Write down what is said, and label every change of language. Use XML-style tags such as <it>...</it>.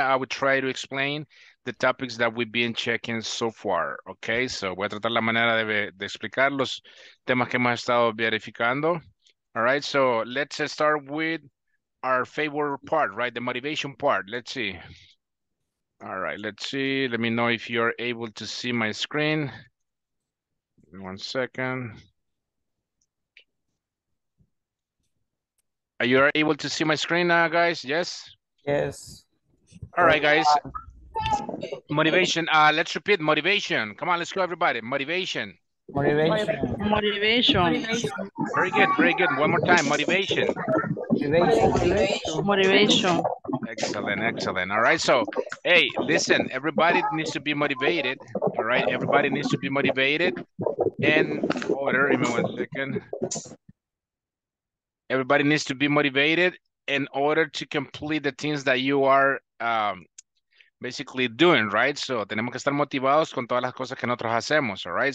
<en>I will try to explain the topics that we've been checking so far. Okay, so</en> <es>voy a tratar la manera de explicar los temas que hemos estado verificando.</es> <en>All right, so let's start with our favorite part, right? The motivation part. Let's see. All right, let's see. Let me know if you're able to see my screen. One second. Are you able to see my screen now, guys? Yes. Yes. All right, guys. Motivation. Let's repeat motivation. Come on, let's go, everybody. Motivation. Motivation. Motivation. Very good, very good. One more time. Motivation. Motivation. Excellent, excellent. All right, so hey, listen, everybody needs to be motivated. All right, everybody needs to be motivated. And order, give me 1 second. Everybody needs to be motivated in order to complete the things that you are basically doing, right?</en> <es>So tenemos que estar motivados con todas las cosas que nosotros hacemos,</es> <en>all right?</en>